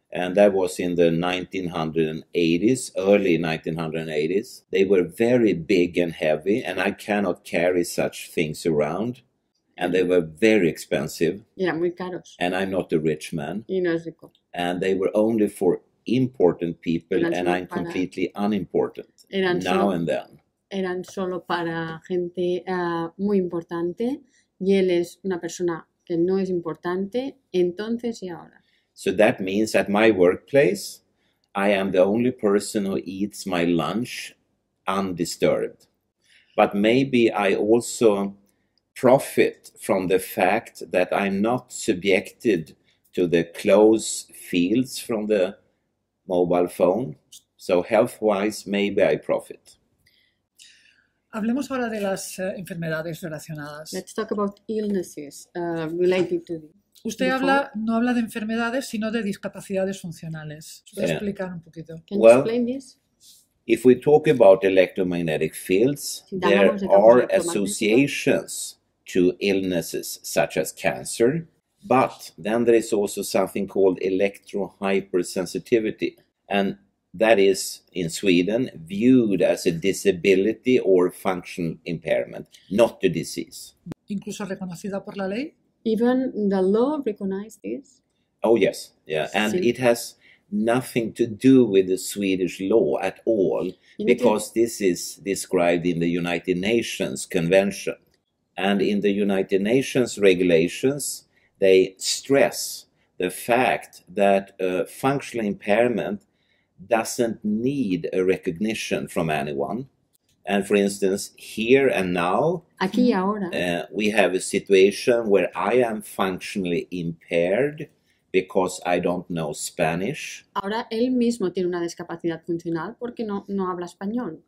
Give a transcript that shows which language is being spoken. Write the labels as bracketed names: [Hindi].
[English] and that was in the 1980s, early 1980s, they were very big and heavy, and I cannot carry such things around, and they were very expensive. [Spanish] Yeah, muy caros. [English] And I'm not a rich man. [Spanish] Y no es rico. [English] And they were only for important people, and I'm completely unimportant. [Spanish] Eran [English] now [Spanish] solo, [English] and then. [Spanish] Eran solo para gente muy importante, y él es una persona que no es importante, entonces y ahora. [English] So that means at my workplace, I am the only person who eats my lunch undisturbed. But maybe I also profit from the fact that I'm not subjected to the close fields from the mobile phone. So health-wise, maybe I profit. [Spanish] Hablemos ahora de las enfermedades relacionadas. [English] Let's talk about illnesses related to this. [Spanish] Usted habla, no habla de enfermedades, sino de discapacidades funcionales. ¿Puede explicar un poquito? [English] Can you explain this? If we talk about electromagnetic fields, there are associations to illnesses such as cancer, but then there is also something called electrohypersensitivity, and that is, in Sweden, viewed as a disability or functional impairment, not a disease. [Spanish] Incluso reconocida por la ley. [English] Even the law recognized this? Oh, yes. Yeah. And it has nothing to do with the Swedish law at all, because this is described in the United Nations Convention. And in the United Nations regulations, they stress the fact that a functional impairment doesn't need a recognition from anyone. And for instance, here and now, [Spanish] aquí y ahora, [English] we have a situation where I am functionally impaired because I don't know Spanish. [Spanish] Ahora él mismo tiene una discapacidad funcional porque no habla español.